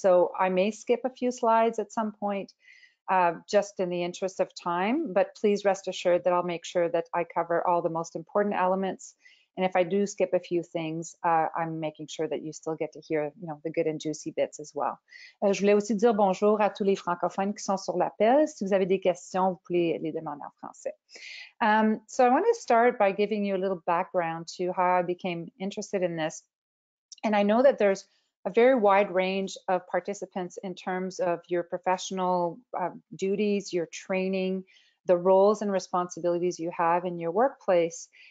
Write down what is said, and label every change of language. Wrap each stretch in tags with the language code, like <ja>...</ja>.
<en>So I may skip a few slides at some point, just in the interest of time, but please rest assured that I'll make sure that I cover all the most important elements. And if I do skip a few things, I'm making sure that you still get to hear, you know, the good and juicy bits as well.</en> <fr>Je voulais aussi dire bonjour à tous les francophones qui sont sur l'appel. Si vous avez des questions, vous pouvez les demander en français.</fr> <en>So I want to start by giving you a little background to how I became interested in this. And I know that there's a very wide range of participants in terms of your professional duties, your training, the roles and responsibilities you have in your workplace.</en>